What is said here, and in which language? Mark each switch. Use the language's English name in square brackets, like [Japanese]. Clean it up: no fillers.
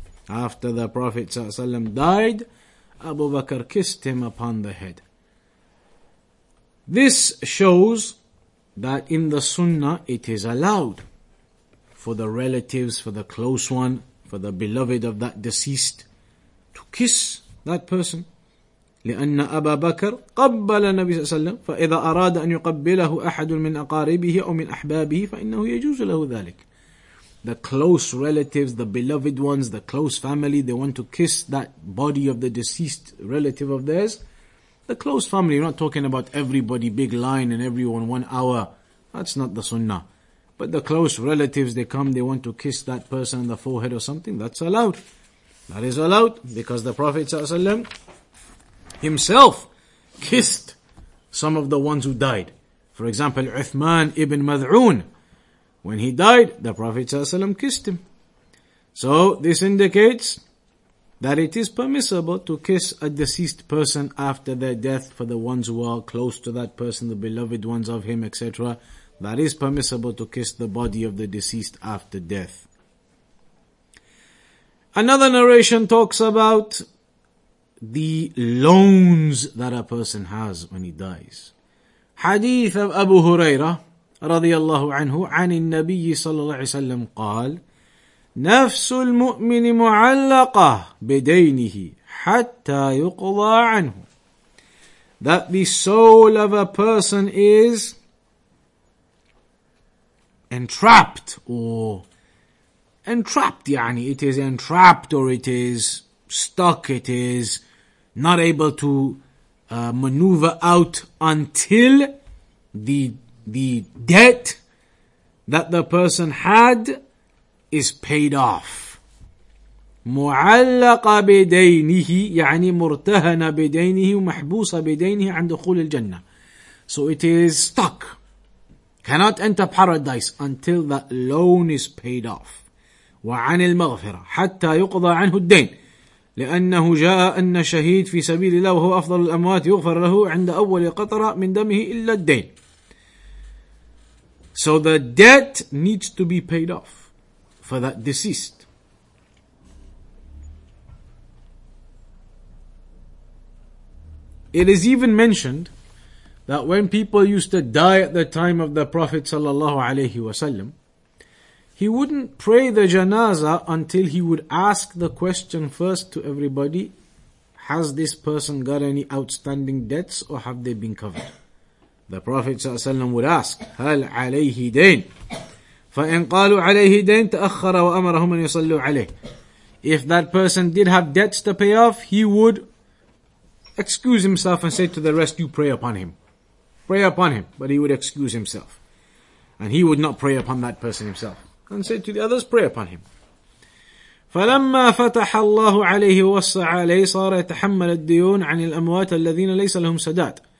[English] After the Prophet sallallahu alayhi wa sallam died, Abu Bakr kissed him upon the head. This shows that in the Sunnah it is allowed for the relatives, for the close one, for the beloved of that deceased to kiss that person. [Arabic] لأن أبا بكر قبل النبي صلى الله عليه وسلم فإذا أراد أن يقبله أحد من أقاربه أو من أحبابه فإنه يجوز له ذلك. [English] The close relatives, the beloved ones, the close family, they want to kiss that body of the deceased relative of theirs. The close family, you're not talking about everybody, big line and everyone 1 hour. That's not the sunnah. But the close relatives, they come, they want to kiss that person on the forehead or something, that's allowed. That is allowed because the Prophet صلى الله عليه وسلم himself kissed some of the ones who died. For example, Uthman ibn Mad'un. When he died, the Prophet ﷺ kissed him. So this indicates that it is permissible to kiss a deceased person after their death for the ones who are close to that person, the beloved ones of him, etc. That is permissible to kiss the body of the deceased after death. Another narration talks about the loans that a person has when he dies. Hadith of Abu Huraira, radiallahu anhu, [Arabic] عن النبي صلى الله عليه وسلم, قال, نفس المؤمن معلقة بدينه حتى يقضى عنه. [English] That the soul of a person is entrapped, [Arabic] يعني, [English] it is entrapped, or it is stuck, it is not able to maneuver out until the debt that the person had is paid off. [Arabic] معلق بدينه يعني مرتهن بدينه ومحبوس بدينه عند دخول الجنة. [English] So it is stuck. Cannot enter paradise until that loan is paid off. [Arabic] وعن المغفرة حتى يقضى عنه الدين. لأنه جاء أن شهيد في سبيل الله وهو أفضل الأموات يغفر له عند أول قطرة من دمه إلا الدين. [English] So the debt needs to be paid off for that deceased. It is even mentioned that when people used to die at the time of the Prophet صلى الله عليه وسلم, he wouldn't pray the janazah until he would ask the question first to everybody, has this person got any outstanding debts or have they been covered? The Prophet ﷺ would ask, [Arabic] هل عليه دين؟ فإن قالوا عليه دين تأخر وأمرهم أن يصلوا عليه. [English] If that person did have debts to pay off, he would excuse himself and say to the rest, you pray upon him. Pray upon him, but he would excuse himself. And he would not pray upon that person himself. And said to the others, pray upon him. [Arabic] فَلَمَّا فَتَحَ اللَّهُ عَلَيْهِ وَسَّعَ عَلَيْهِ صَارَ يَتَحَمَّلَ الدِّيُونَ عَنِ الْأَمْوَاتَ الَّذِينَ لَيْسَ لَهُمْ سَدَادٌ.